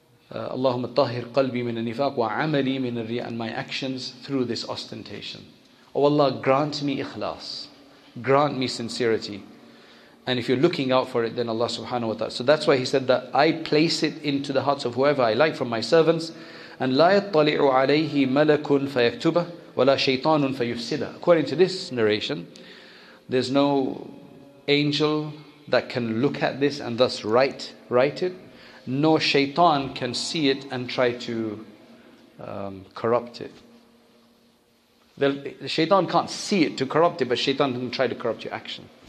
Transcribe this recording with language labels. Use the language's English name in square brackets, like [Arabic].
[Arabic] Allahumma tahhir qalbi min al-nifaq wa amali min al-riya, [English] and my actions through this ostentation. Oh Allah, grant me ikhlas, grant me sincerity. And if you're looking out for it, then Allah subhanahu wa ta'ala. So that's why he said that I place it into the hearts of whoever I like from my servants. [Arabic] And لا يطلع عليه ملك فيكتبه ولا شيطان فيفسده. [English] According to this narration, there's no angel that can look at this and thus write it. Nor shaitan can see it and try to corrupt it. The shaitan can't see it to corrupt it, but shaitan can try to corrupt your action.